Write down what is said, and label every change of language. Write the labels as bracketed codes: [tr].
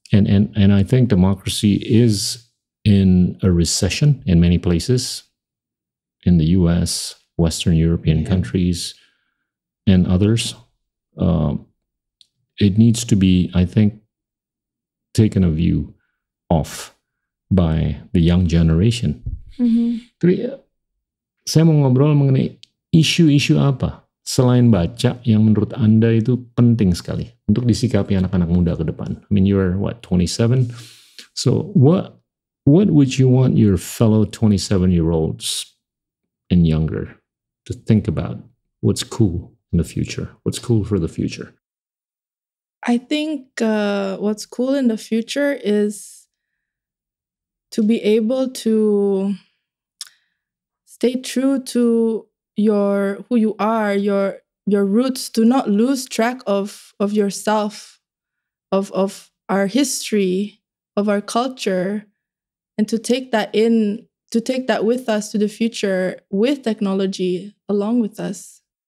[en] And I think democracy is in a recession in many places, in the US, Western European countries, and others. It needs to be, I think, taken a view off by the young generation. [id] Saya mau ngobrol mengenai isu-isu apa selain baca yang menurut Anda itu penting sekali untuk disikapi anak-anak muda ke depan. [en] I mean, you're what, 27? So what would you want your fellow 27-year-olds and younger to think about? What's cool in the future? What's cool for the future? I think what's cool in the future is to be able to stay true to your who you are, your roots, to not lose track of yourself, of our history, of our culture, and to take that in, to take that with us to the future with technology along with us.